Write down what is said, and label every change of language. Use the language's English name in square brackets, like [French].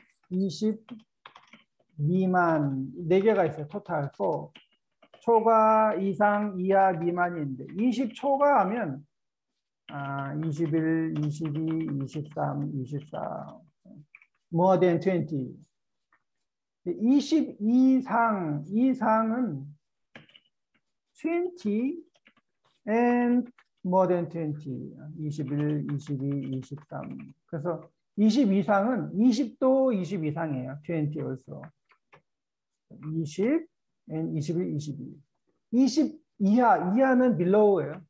[Korean] 20 미만 네 개가 있어요. 토탈 4. 초과 이상 이하 미만인데 20초과 하면 아 21, 22, 23, 24. [English] More than 20. [Korean] 20 이상 이상은 [English] 20 and more than 20. 21, 22, 23. [Korean] 그래서 20 이상은 20도 20 이상이에요. [English] 20 also. 20 and 21, 22. [Korean] 20 이하, 이하는 below예요.